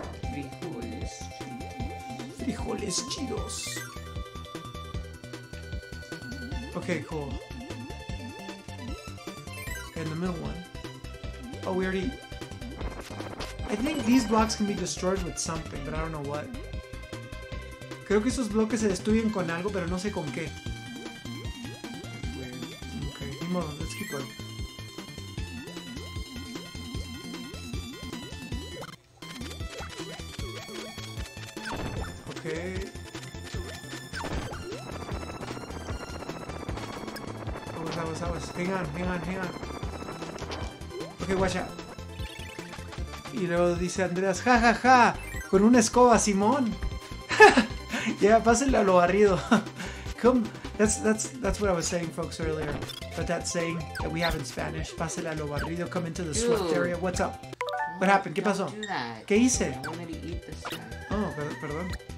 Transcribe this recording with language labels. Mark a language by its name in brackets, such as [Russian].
[Spanish] Frijoles chidos. Frijoles chidos. [English] Okay, cool. And the middle one. Oh, we already... I think these blocks can be destroyed with something, but I don't know what. [Spanish] Creo que esos bloques se destruyen con algo, pero no sé con qué. [English] Okay, [Spanish] ni modo, [English] let's keep going. Hang on. Okay, watch out. [Spanish] Y luego dice Andreas, ja, ja, ja, con una escoba, Simón. Ya, yeah, pásenle a lo barrido. [English] Come, that's what I was saying, folks, earlier. But that saying that we have in Spanish, [Spanish] pásenle a lo barrido, [English] come into the swept area. What's up? What happened? [Spanish] ¿Qué pasó? ¿Qué hice? [English] I wanted to eat this guy. [Spanish] Oh, perdón.